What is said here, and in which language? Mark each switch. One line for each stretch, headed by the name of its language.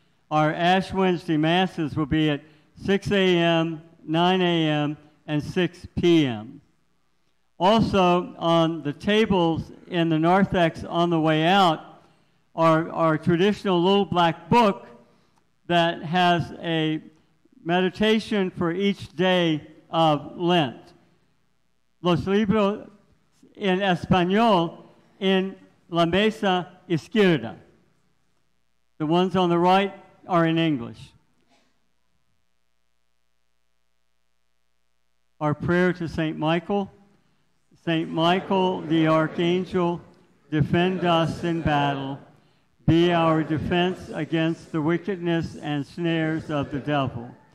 English: Our Ash Wednesday masses will be at 6 a.m., 9 a.m., and 6 p.m. Also, on the tables in the narthex on the way out are our traditional little black book that has a meditation for each day of Lent.
Spanish: Los libros en español en la mesa izquierda.
English: The ones on the right are in English. Our prayer to St. Michael. St. Michael, the Archangel, defend us in battle. Be our defense against the wickedness and snares of the devil.